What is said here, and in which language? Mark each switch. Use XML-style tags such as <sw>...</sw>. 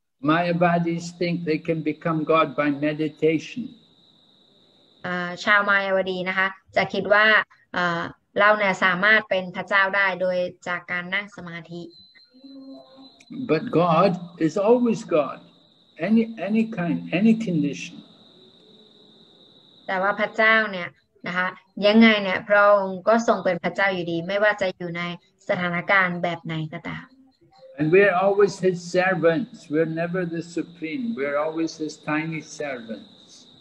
<en>Mayavadis think they can become God by meditation.</en> <th>ชาวมายาวดีนะคะจะคิดว่าเราเนี่ยสามารถเป็นพระเจ้าได้โดยจากการนั่งสมาธิ</th> <en>But God is always God, any kind, any condition.</en> <th>แต่ว่าพระเจ้าเนี่ยนะคะยังไงเนี่ยพระองค์ก็ทรงเป็นพระเจ้าอยู่ดีไม่ว่าจะอยู่ในสถานการณ์แบบไหนก็ตาม</th> <en>And we're always his servants. We're never the supreme. We're always his tiny servants.</en>